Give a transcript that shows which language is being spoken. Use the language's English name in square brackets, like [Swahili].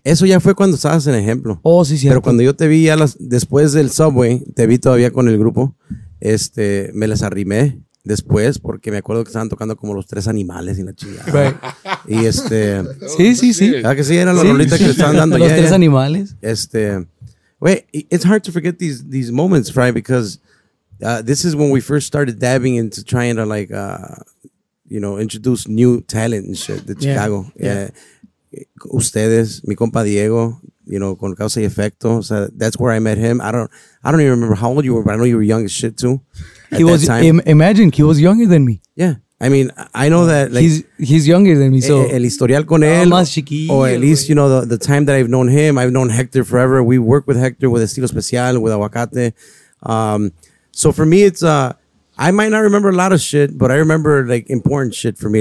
[Spanish] eso ya fue cuando estabas en Ejemplo. Oh, sí, cierto. Pero cuando yo te vi ya después del Subway, te vi todavía con el grupo. Me les arrimé después porque me acuerdo que estaban tocando como los tres animales y la chingada. Y Sí. Ah, que sí, era la rolita que le estaban dando. Los tres animales. [English] It's hard to forget these moments, Fry, because this is when we first started dabbing into trying to introduce new talent and shit to Chicago. [Spanish] Ustedes, mi compa Diego, con causa y efecto. O sea, [English] that's where I met him. I don't even remember how old you were, but I know you were young as shit too. He was imagine he was younger than me. Yeah, I mean, I know that he's younger than me. So [Spanish] el historial con él, más chiquillo, [English] o at least the time that I've known him, I've known Hector forever. We work with Hector with Estilo Especial with Aguacate. So for me, it's I might not remember a lot of shit, but I remember important shit for me.